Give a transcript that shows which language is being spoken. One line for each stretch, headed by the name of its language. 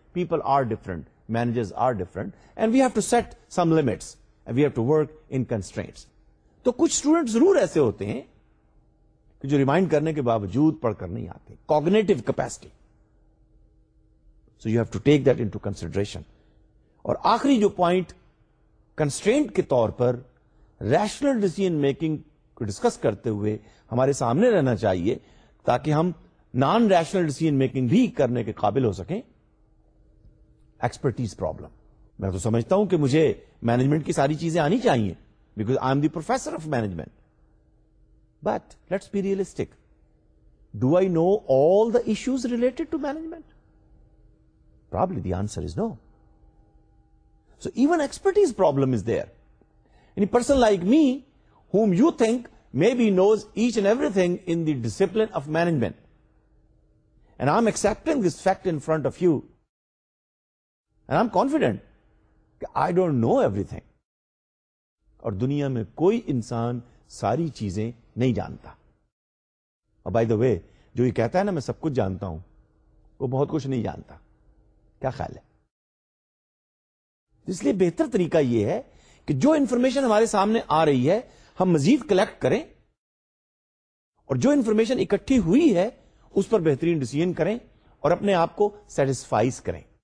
English: People are different, managers are different, and we have to set some limits and we have to work in constraints.
Urdu: تو کچھ student ضرور ایسے ہوتے ہیں جو ریمائنڈ کرنے کے باوجود پڑھ کر نہیں آتے.
English: Cognitive capacity, so you have to take that into consideration.
Urdu: اور آخری جو پوائنٹ کنسٹرینٹ کے طور پر ریشنل ڈیسیژن میکنگ کو ڈسکس کرتے ہوئے ہمارے سامنے رہنا چاہیے تاکہ ہم نان ریشنل ڈیسیژن میکنگ بھی کرنے کے قابل ہو سکیں. Expertise problem. میں تو سمجھتا ہوں کہ مجھے مینجمنٹ کی ساری چیزیں آنی چاہیے
English: Because I am the professor of management. But let's be realistic. Do I know all the issues related to management? Probably the answer is no. So even expertise problem is there. Any person like me, whom you think maybe knows each and everything in the discipline of management, and I'm accepting this fact in front of you, and I'm confident that I don't know everything.
Urdu: اور دنیا میں کوئی انسان ساری چیزیں نہیں جانتا. اور بائی دا وے جو یہ کہتا ہے نا میں سب کچھ جانتا ہوں، وہ بہت کچھ نہیں جانتا. کیا خیال ہے؟ اس لیے بہتر طریقہ یہ ہے کہ جو انفارمیشن ہمارے سامنے آ رہی ہے ہم مزید کلیکٹ کریں اور جو انفارمیشن اکٹھی ہوئی ہے اس پر بہترین ڈیسیژن کریں اور اپنے آپ کو سیٹسفائز کریں.